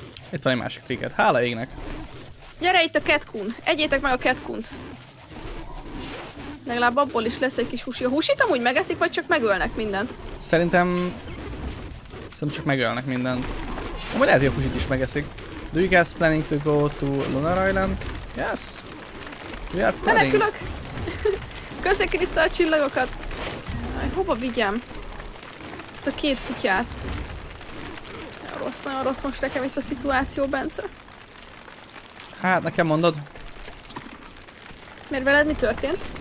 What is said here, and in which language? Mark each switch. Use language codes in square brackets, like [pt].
[hu] Itt van egy másik triget. Hála égnek. Gyere itt a catcoon. Egyétek meg a catcoont. Legalább abból is lesz egy kis húsi. A húsit amúgy megeszik, vagy csak megölnek mindent? Szerintem csak megölnek mindent. Amúgy lehet, hogy a húsit is megeszik. [en] Do you guys planning to go to Lunar Island? Yes. We are planning. [hu] Menekülök! Köszi Krisztál a csillagokat! Aj, hova vigyem? Ezt a két kutyát. Nagyon rossz most nekem itt a szituáció, Bence. Hát, nekem mondod. Miért veled? Mi történt?